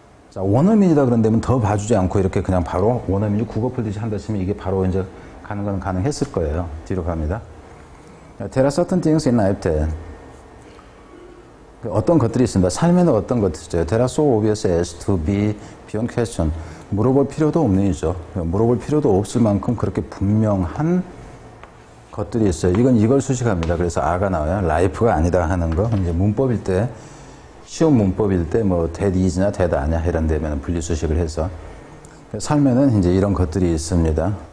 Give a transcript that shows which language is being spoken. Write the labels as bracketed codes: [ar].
[ko] 자, 원어민이다 그런다면 더 봐주지 않고 이렇게 그냥 바로 원어민이 국어 풀듯이 한다치면 이게 바로 이제 가는 건 가능했을 거예요. 뒤로 갑니다. [en] There are certain things in life then. [ko] 어떤 것들이 있습니다. 삶에는 어떤 것들이 있죠. [en] There are so obvious as to be beyond question. [ko] 물어볼 필요도 없는 이죠. 물어볼 필요도 없을 만큼 그렇게 분명한 것들이 있어요. 이건 이걸 수식합니다. 그래서 아가 나와요. life가 아니다 하는 거. 이제 문법일 때, 시험 문법일 때 뭐 that is나 that 아냐 이런 데면 분리수식을 해서 삶에는 이제 이런 것들이 있습니다.